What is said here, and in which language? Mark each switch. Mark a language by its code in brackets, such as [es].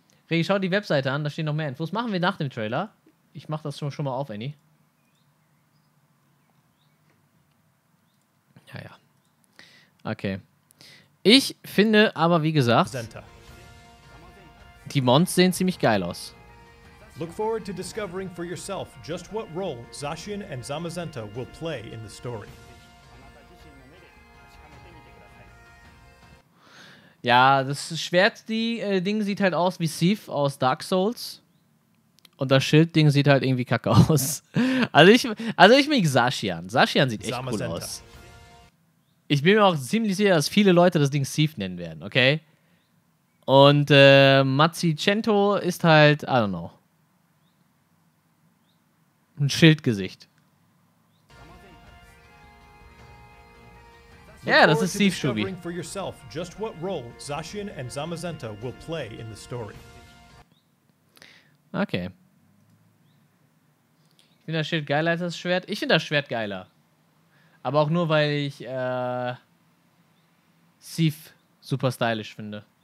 [de] Regi, schau die Webseite an, da stehen noch mehr Infos. Machen wir nach dem Trailer. Ich mach das schon mal auf, Annie. Ja. Okay. Ich finde aber, wie gesagt, die Mons sehen ziemlich geil aus. [en] Look forward to discovering for yourself just what role Zacian and Zamazenta will play in the story. [de] Ja, das Schwert, die Ding sieht halt aus wie Sif aus Dark Souls. Und das Schild-Ding sieht halt irgendwie kacke aus. Also ich mag Zacian. Zacian sieht echt cool aus. Ich bin mir auch ziemlich sicher, dass viele Leute das Ding Sif nennen werden, okay? Und Mazzicento ist halt, [en] I don't know. [de] Ein Schildgesicht. Ja, das ist Steve Shubi. [en] For yourself, just what role Zacian and Zamazenta will play in the story. [de] Okay. Ich finde das Schild geiler als das Schwert. Ich finde das Schwert geiler. Aber auch nur, weil ich Steve super stylisch finde.